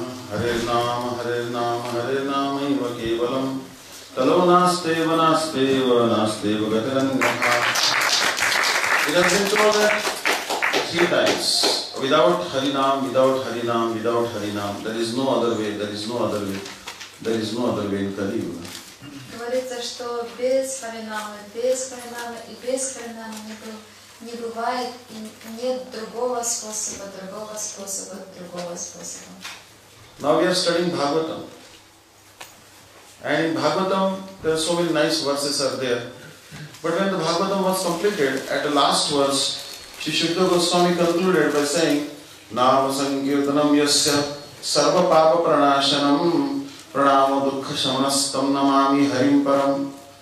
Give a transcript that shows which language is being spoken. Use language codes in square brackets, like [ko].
[sa] Harinam, Harinam, Harinam, Iva Kevalam, Talo Nasteva, Nasteva, Nasteva, Gatarangaha. [en] It has been told that three times, without Harinam, without Harinam, without Harinam, there is no other way, there is no other way, there is no other way in Kali Yuga. [ru] Говорится, что без Харинамы, без Харинамы и без Харинамы не бывает, и нет другого способа, другого способа, другого способа. [en] Now we are studying Bhagavatam. And in Bhagavatam, there are so many nice verses are there. But when the Bhagavatam was completed, at the last verse, Shri Shukadeva Goswami concluded by saying, [sa] Nama Sankirtanam Yasya Sarva Papa Pranashanam Pranama Dukkha Shamanastam Namami Harim Param.